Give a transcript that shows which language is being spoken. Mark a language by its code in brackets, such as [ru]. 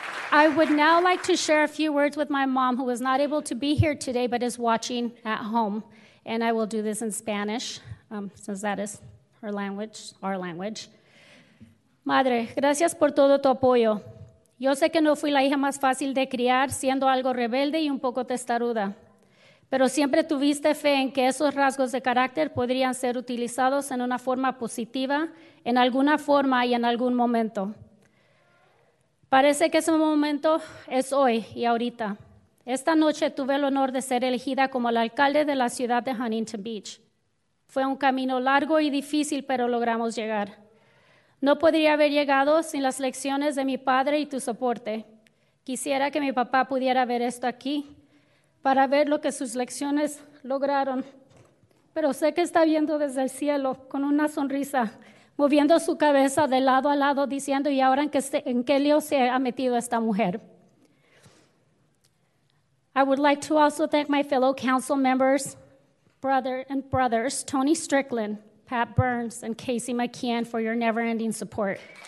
[en] I would now like to share a few words with my mom, who was not able to be here today but is watching at home. And I will do this in Spanish, since that is her language, our language. [es] Madre, gracias por todo tu apoyo. Yo sé que no fui la hija más fácil de criar, siendo algo rebelde y un poco testaruda. Pero siempre tuviste fe en que esos rasgos de carácter podrían ser utilizados en una forma positiva, en alguna forma y en algún momento. Parece que ese momento es hoy y ahorita. Esta noche tuve el honor de ser elegida como la alcalde de la ciudad de Huntington Beach. Fue un camino largo y difícil, pero logramos llegar. No podría haber llegado sin las lecciones de mi padre y tu soporte. Quisiera que mi papá pudiera ver esto aquí para ver lo que sus lecciones lograron. Pero sé que está viendo desde el cielo con una sonrisa, moviendo su cabeza de lado a lado, diciendo, ¿y ahora en qué lío se ha metido esta mujer? [en] I would like to also thank my fellow council members, brothers, Tony Strickland, Pat Burns, and Casey McKeon for your never-ending support.